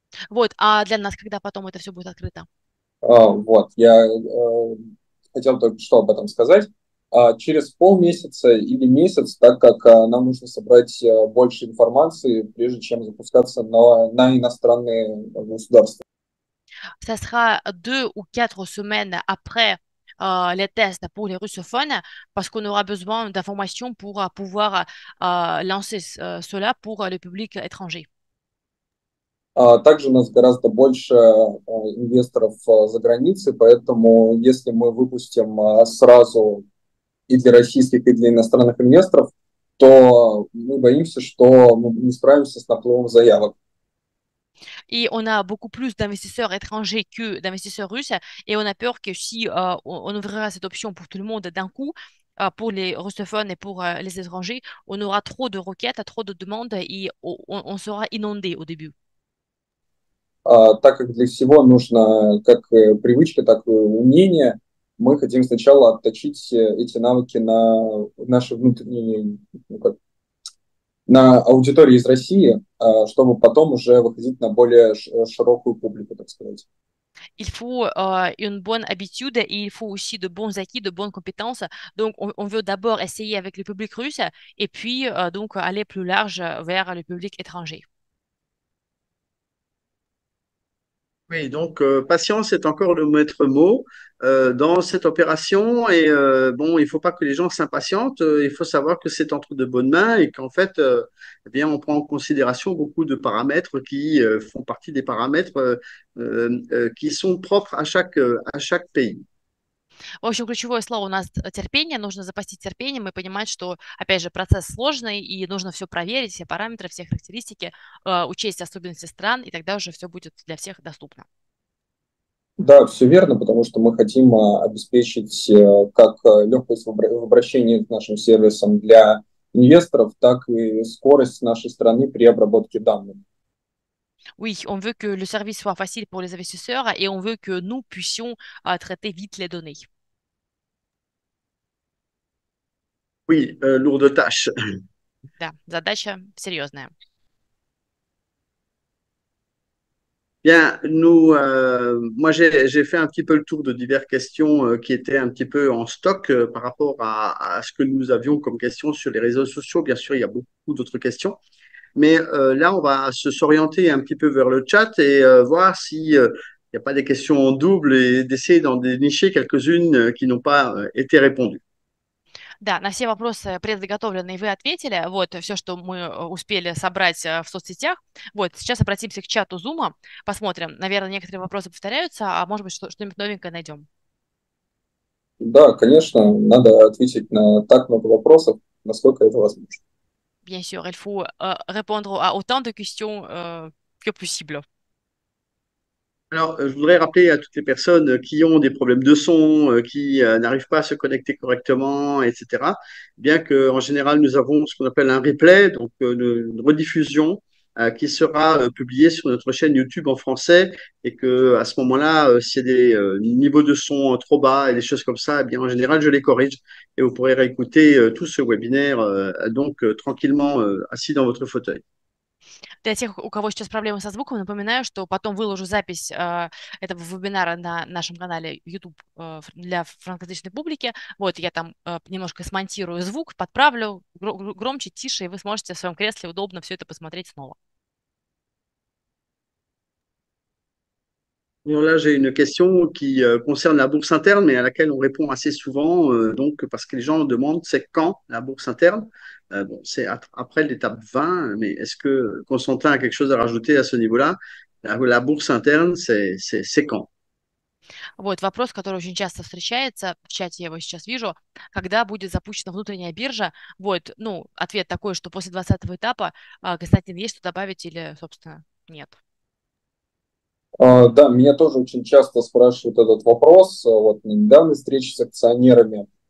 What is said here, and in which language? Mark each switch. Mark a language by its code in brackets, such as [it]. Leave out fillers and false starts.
[ru] Вот, а для нас, когда потом это все будет открыто? Вот, я хотел только что об этом сказать. Через полмесяца или месяц, так как нам нужно собрать больше информации, прежде чем запускаться на иностранные государства. [fr] Ça sera 2 ou 4 semaines après les tests pour les russophones, parce qu'on aura besoin d'informations pour pouvoir lancer cela pour le public étranger. [ru] Также у нас гораздо больше инвесторов за границей, поэтому если мы выпустим сразу и для российских, и для иностранных инвесторов, то мы боимся, что мы не справимся с наплывом заявок. [fr] Et on a beaucoup плus d'investisseurs étrangers que d'investisseurs russes. Et on a peur que si on ouvrira cette option pour tout le monde d'un coup, pour les russophones et pour les étrangers, on aura trop de requêtes, trop de demandes et on sera inondé au début. [ru] Так как для всего нужно как привычка, так и умение, мы хотим сначала отточить эти навыки на нашей внутренней, ну как, на аудитории из России, чтобы потом уже выходить на более широкую публику, так сказать. [fr] Il faut une bonne habitude et il faut aussi de bons acquis, de bonnes compétences. Donc, on veut d'abord essayer avec le public russe et puis donc aller plus large vers le public étranger. Oui, donc patience est encore le maître mot dans cette opération. Et bon, il faut pas que les gens s'impatientent. Il faut savoir que c'est entre de bonnes mains et qu'en fait, eh bien, on prend en considération beaucoup de paramètres qui font partie des paramètres qui sont propres à chaque pays. [ru] В общем, ключевое слово у нас терпение. Нужно запастись терпением и понимать, что, опять же, процесс сложный, и нужно все проверить, все параметры, все характеристики, учесть особенности стран, и тогда уже все будет для всех доступно. Да, все верно, потому что мы хотим обеспечить как легкость в обращении с нашим сервисом для инвесторов, так и скорость нашей страны при обработке данных. [fr] Oui, on veut que le service soit facile pour les investisseurs et on veut que nous puissions traiter vite les données. Oui, lourde tâche. [ru] Да, задача серьезная. [fr] Bien, nous, moi j'ai fait un petit peu le tour de diverses questions qui étaient un petit peu en stock par rapport à ce que nous avions comme questions sur les réseaux sociaux. Bien sûr, il y a beaucoup d'autres questions, mais là on va s'orienter un petit peu vers le chat et voir si il n'y a pas des questions en double et d'essayer d'en dénicher quelques-unes qui n'ont pas été répondues. [ru] Да, на все вопросы предоготовленные вы ответили. Вот все, что мы успели собрать в соцсетях. Вот сейчас обратимся к чату Зума, посмотрим. Наверное, некоторые вопросы повторяются, а может быть, что-нибудь новенькое найдем. Да, конечно, надо ответить на так много вопросов, насколько это возможно. [fr] Bien sûr, il faut répondre à autant de questions que possible. Alors, je voudrais rappeler à toutes les personnes qui ont des problèmes de son, qui n'arrivent pas à se connecter correctement, etc., bien qu'en général, nous avons ce qu'on appelle un replay, donc une rediffusion, qui sera publié sur notre chaîne YouTube en français et que à ce moment-là, s'il y a des niveaux de son trop bas et des choses comme ça, eh bien en général je les corrige et vous pourrez réécouter tout ce webinaire donc tranquillement assis dans votre fauteuil. [ru] Для тех, у кого сейчас проблемы со звуком, напоминаю, что потом выложу запись этого вебинара на нашем канале YouTube для франкоязычной публики. Вот, я там немножко смонтирую звук, подправлю громче, тише, и вы сможете в своем кресле удобно все это посмотреть снова. [fr] Alors là, j'ai une question qui concerne la bourse interne, mais à laquelle on répond assez souvent, donc parce que les gens demandent, c'est quand la bourse interne? Bon, c'est après l'étape 20, mais est-ce que Constantin a quelque chose à rajouter à ce niveau-là? La bourse interne, c'est quand? [ru] Вот вопрос, который очень часто встречается, в чате я его сейчас вижу, когда будет запущена внутренняя биржа, вот, ну, ответ такой, что после 20-го этапа, Константин, есть что добавить или, собственно, нет? Да, меня тоже очень часто спрашивают этот вопрос, вот на недавней встрече с акционерами.